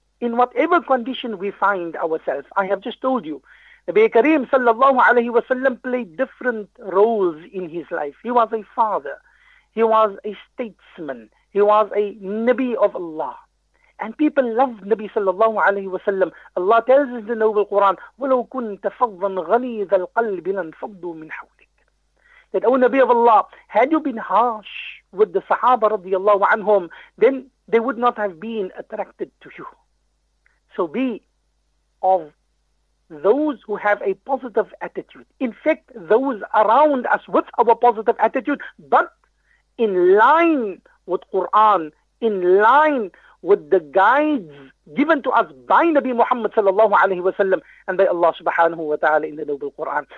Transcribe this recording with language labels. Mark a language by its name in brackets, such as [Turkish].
[English] In whatever condition we find ourselves, I have just told you, Nabi Kareem sallallahu alayhi wa sallam played different roles in his life. He was a father, he was a statesman, he was a Nabi of Allah. And people love Nabi sallallahu alayhi wa sallam. Allah tells us in the Noble Quran, [Arabic] وَلَوْ كُنْتَ فَضًّا غَلِيظَ الْقَلْبِ لَنْفَضُّوا مِنْ حَوْلِكَ. [English] That, O Nabi of Allah, had you been harsh with the Sahaba radiyallahu anhum, then they would not have been attracted to you. So be of those who have a positive attitude. Infect those around us with our positive attitude, but in line with Quran, in line with the guides given to us by Nabi Muhammad sallallahu alayhi wa sallam and by Allah subhanahu wa ta'ala in the Noble Quran.